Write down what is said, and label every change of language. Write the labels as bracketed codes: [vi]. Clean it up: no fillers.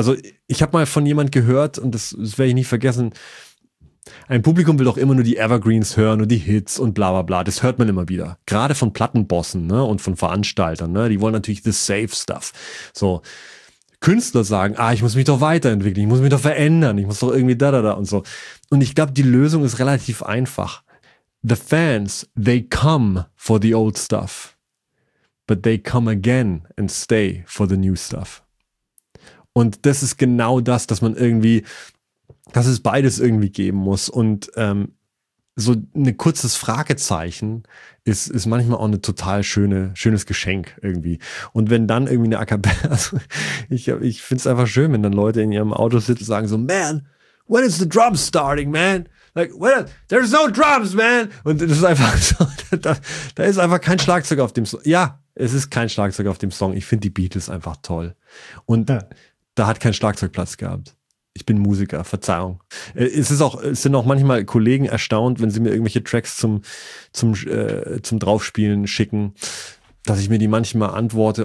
[de] Also ich habe mal von jemand gehört, und das werde ich nie vergessen, ein Publikum will doch immer nur die Evergreens hören und die Hits und bla bla bla. Das hört man immer wieder. Gerade von Plattenbossen, ne, und von Veranstaltern. Ne, die wollen natürlich [en] the safe stuff. [de] So, Künstler sagen, ich muss mich doch weiterentwickeln, ich muss mich doch verändern, ich muss doch irgendwie da da da und so. Und ich glaube, die Lösung ist relativ einfach. [en] The fans, they come for the old stuff. But they come again and stay for the new stuff. [de] Und das ist genau das, dass man irgendwie, dass es beides irgendwie geben muss. Und so ein kurzes Fragezeichen ist manchmal auch eine total schönes Geschenk irgendwie. Und wenn dann irgendwie eine Acapella, also ich finde es einfach schön, wenn dann Leute in ihrem Auto sitzen und sagen so, [en] man, when is the drum starting, man? Like, when there's no drums, man! [de] Und das ist einfach so, da ist einfach kein Schlagzeug auf dem Song. Ja, es ist kein Schlagzeug auf dem Song. Ich finde die Beatles einfach toll. Und ja, da hat kein Schlagzeug Platz gehabt. Ich bin Musiker, Verzeihung. Es sind auch manchmal Kollegen erstaunt, wenn sie mir irgendwelche Tracks zum Draufspielen schicken, dass ich mir die manchmal antworte.